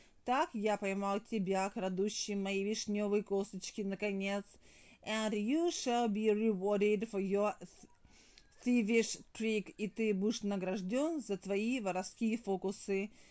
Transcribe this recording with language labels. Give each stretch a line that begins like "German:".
Russian: Так я поймал тебя, крадущий мои вишневые косточки, наконец.
English: And you shall be rewarded for your thievish trick.
Russian: И ты будешь награжден за твои воровские фокусы.